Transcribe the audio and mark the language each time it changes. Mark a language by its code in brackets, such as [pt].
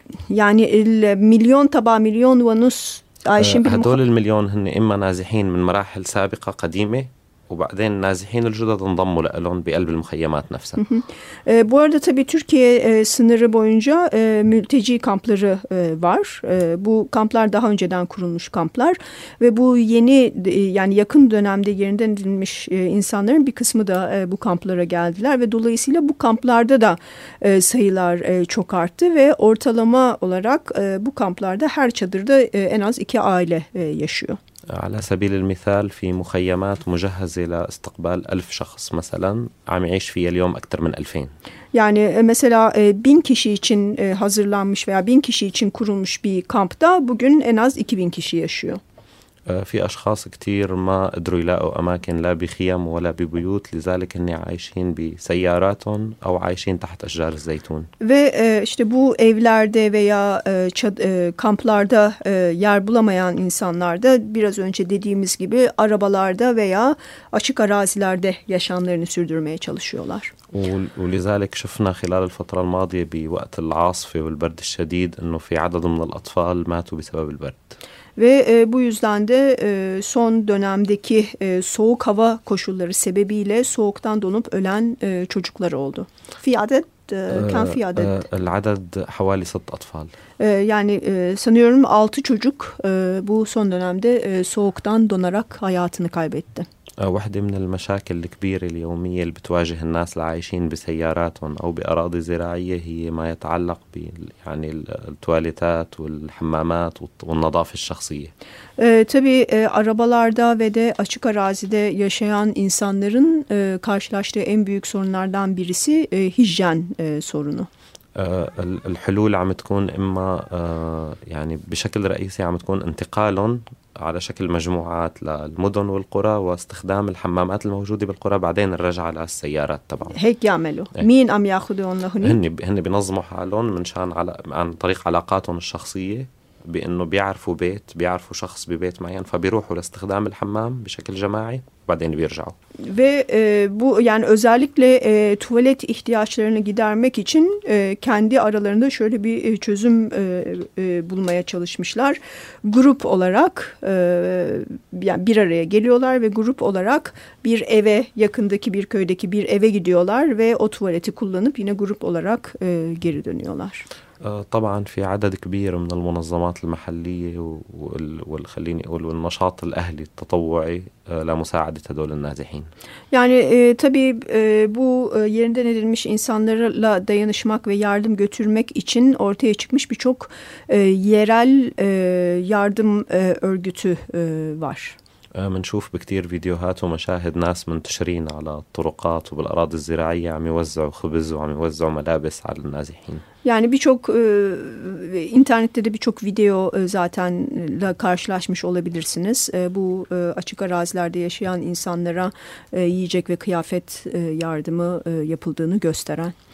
[ar] يعني المليون تبع مليون ونص عايشين بالمخ... هدول المليون هن إما نازحين من مراحل سابقة قديمة وبعدين النازحين الجدد انضموا لهم بقلب المخيمات نفسها. [tr] Bu arada tabii Türkiye sınırı boyunca mülteci kampları var. Bu kamplar daha önceden kurulmuş kamplar ve bu yeni yani yakın dönemde yerinden edilmiş insanların bir kısmı da bu kamplara geldiler ve dolayısıyla bu kamplarda da sayılar çok arttı ve ortalama olarak bu kamplarda her çadırda en az 2 aile yaşıyor. [ar] على سبيل المثال في مخيمات مجهزة لاستقبال 1000 شخص مثلا عم يعيش فيها اليوم أكثر من 2000. [tr] Yani mesela 1000 kişi için hazırlanmış veya 1000 kişi için kurulmuş bir kampta bugün en az 2000 kişi yaşıyor. [ar] في أشخاص كتير ما قدروا يلاقوا أماكن لا بخيم ولا ببيوت لذلك هن عايشين بسياراتهم أو عايشين تحت أشجار الزيتون. [tr] Ve işte bu evlerde veya kamplarda yer bulamayan insanlar da biraz önce dediğimiz gibi arabalarda veya açık arazilerde yaşamlarını sürdürmeye çalışıyorlar. [ar] ولذلك شفنا خلال الفترة الماضية بوقت العاصفة والبرد الشديد إنه في عدد من الأطفال ماتوا بسبب البرد. [tr] Ve bu yüzden de son dönemdeki soğuk hava koşulları sebebiyle soğuktan donup ölen çocuklar oldu. Fiyadet kan [ar] العدد حوالي 6 اطفال [tr] يعني sanıyorum 6 çocuk bu son dönemde soğuktan donarak hayatını kaybetti. [ar] واحدة من المشاكل الكبيرة اليومية اللي بتواجه الناس اللي عايشين بسياراتهم أو بأراضي زراعية هي ما يتعلق يعني التواليتات والحمامات والنظافة الشخصية. [tr] Tabii arabalarda ve de açık arazide yaşayan insanların karşılaştığı en büyük sorunlardan birisi hijyen sorunu. [ar] الحلول عم تكون إما يعني بشكل رئيسي عم تكون انتقالهم على شكل مجموعات للمدن والقرى واستخدام الحمامات الموجودة بالقرى بعدين الرجعة للسيارات طبعا. هيك يعملوا مين عم ياخذون لهني؟ هن بنظموا حالهم من شان على عن طريق علاقاتهم الشخصية بأنه بيعرفوا بيت بيعرفوا شخص ببيت معين فبيروحوا لاستخدام الحمام بشكل جماعي وبعدين بيرجعوا. [tr] Ve bu yani özellikle tuvalet ihtiyaçlarını gidermek için kendi aralarında şöyle bir çözüm bulmaya çalışmışlar. Grup olarak yani bir araya geliyorlar ve grup olarak bir eve yakındaki bir köydeki bir eve gidiyorlar ve o tuvaleti kullanıp yine grup olarak geri dönüyorlar. [ar] طبعا في عدد كبير من المنظمات المحلية والخليني أقول والنشاط الأهلي التطوعي لمساعدة هذول النازحين. يعني طبيب [tr] bu yerinden edilmiş insanlarla dayanışmak ve yardım götürmek için ortaya çıkmış birçok yerel yardım örgütü var. [ar] منشوف بكتير فيديوهات ومشاهد ناس منتشرين على الطرقات وبالأراضي الزراعية عم يوزعوا خبز وعم يوزعوا ملابس على النازحين. [tr] Yani birçok internette de birçok video zaten karşılaşmış olabilirsiniz. Bu açık arazilerde yaşayan insanlara yiyecek ve kıyafet yardımı yapıldığını gösteren.